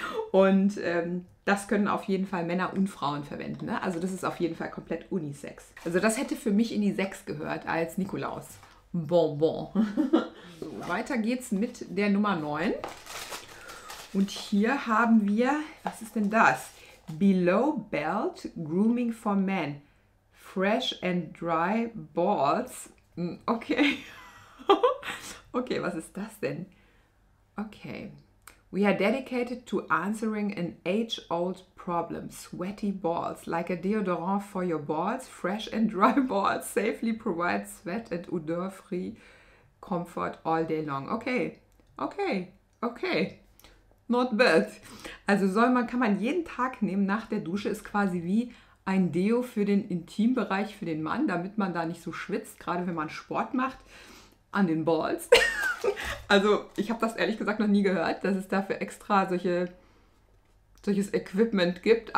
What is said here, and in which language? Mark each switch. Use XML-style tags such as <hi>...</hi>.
<de>Und das können auf jeden Fall Männer und Frauen verwenden. Ne? Also das ist auf jeden Fall komplett Unisex. Also das hätte für mich in die Sex gehört als Nikolaus. Bonbon. So, weiter geht's mit der Nummer 9. Und hier haben wir, was ist denn das?</de> <en>Below Belt Grooming for Men. Fresh and Dry Balls. Okay.</en> <de>Okay, was ist das denn? Okay.</de> <en>We are dedicated to answering an age-old problem. Sweaty balls. Like a deodorant for your balls. Fresh and dry balls. Safely provide sweat and odor-free comfort all day long. Okay. Okay. Okay. Not bad.</en> <de>Also kann man jeden Tag nehmen nach der Dusche. Ist quasi wie ein Deo für den Intimbereich für den Mann, damit man da nicht so schwitzt, gerade wenn man Sport macht an den Balls. Also ich habe das ehrlich gesagt noch nie gehört, dass es dafür extra solches Equipment gibt.</de>